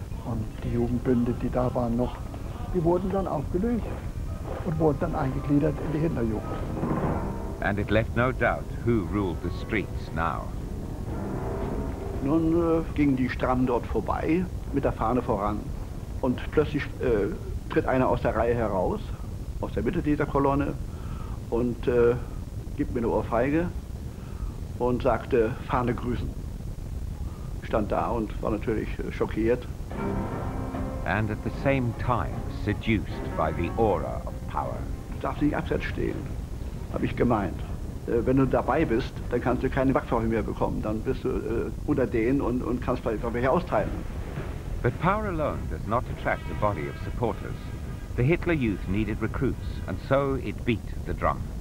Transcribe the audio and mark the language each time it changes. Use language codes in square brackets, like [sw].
[de] Und die Jugendbünde, die da waren noch, die wurden dann aufgelöst. Und wurde dann eingegliedert in die Hitlerjugend. [en] And it left no doubt who ruled the streets now. [de] Nun gingen die Strammen dort vorbei, mit der Fahne voran. Und plötzlich tritt einer aus der Reihe heraus, aus der Mitte dieser Kolonne, und gibt mir eine Ohrfeige und sagte, Fahne grüßen. Stand da und war natürlich schockiert. [en] And at the same time seduced by the aura of power. [de] Du darfst nicht abseits stehen, habe ich gemeint. Wenn du dabei bist, dann kannst du keine Wachfrau mehr bekommen. Dann bist du unter denen und kannst vielleicht auch welche austeilen. [en] But power alone does not attract a body of supporters. The Hitler Youth needed recruits, and so it beat the drum.